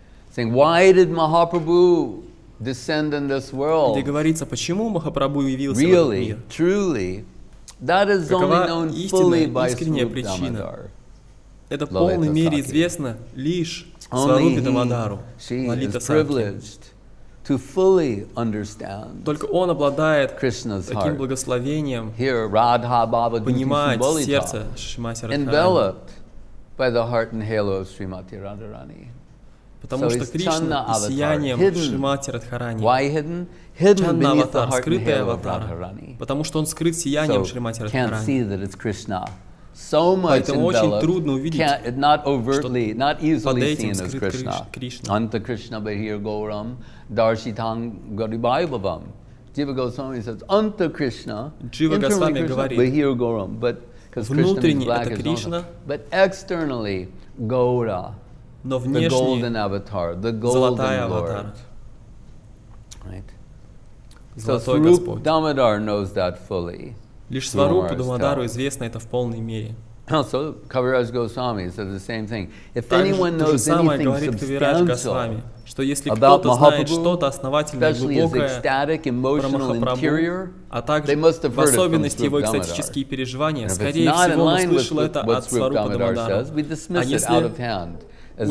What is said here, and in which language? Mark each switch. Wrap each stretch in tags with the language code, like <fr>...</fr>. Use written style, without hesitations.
<en>Saying, why did Mahaprabhu descend in this world. Really, truly, that is only known fully by Swarupa Damodara.</en> <ru>Это в полной мере известно лишь Дамодару,</ru> <en>she is privileged to fully understand.</en> <ru>Только он обладает таким благословением понимать сердце Шримати Радхарани.</ru> <en>Enveloped by the heart and halo of Srimati Radharani.</en> <ru>Потому что Кришна – сияние Шримати Радхарани.</ru> <en>Why hidden? Hidden beneath the heart and halo of Radharani.</en> <ru>Скрытый аватар. Потому что он скрыт сиянием Шримати Радхарани.</ru> <en>So can't see that it's Krishna. So much enveloped.</en> <ru>Поэтому очень трудно увидеть,</ru> <en>not overtly, not easily</en> <ru>под этим</ru> <en>seen as</en> <ru>скрыт</ru> <en>Krishna.</en> <ru>Кришна.</ru> <sa>Anta Krishna Bahir Gauram Darshitam Garibaibhavam.</sa> <en>Jiva Goswami says, Anta Krishna, Jiva Goswami</en> <ru>говорит,</ru> <sa>Bahir Gauram.</sa> <en>But,</en> <ru>внутренне</ru> <en>Krishna</en> <ru>это Кришна.</ru> <en>But externally, Gaura.</en> <ru>Но внешне</ru> <en>the golden avatar, the golden</en> <ru>золотая</ru> <en>lord.</en> <ru>Аватар.</ru> <en>Right.</en> <ru>Золотой Господь.</ru> <en>Дамодар knows that fully.</en> <ru>Лишь Сварупа Дамодару известно это в полной мере.</ru> <en>Also, Kaviraj Goswami says the same thing. If anyone knows anything substantial about Mahaprabhu, especially his ecstatic emotional interior, they must have heard it from Sri Damodar. And if it's not in line with what Sri Damodar says, we dismiss it out of hand as</en>